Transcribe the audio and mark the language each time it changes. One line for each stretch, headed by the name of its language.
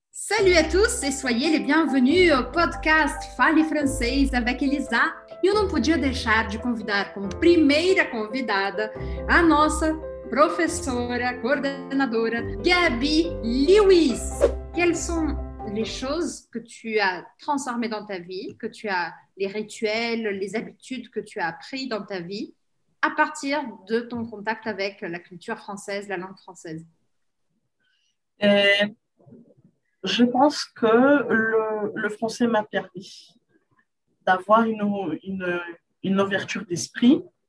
French: Salut à tous et soyez les bienvenus au podcast Fale Francês avec Elisa.
Portuguese: Eu não podia deixar de convidar como primeira convidada a nossa professora, coordenadora, Gabi Lewis.
French: Quelles sont les choses que tu as transformées dans ta vie, que tu as les rituels, les habitudes que tu as apprises dans ta vie à partir de ton contact avec la culture française, la langue française? Je pense que le français m'a permis d'avoir une ouverture d'esprit.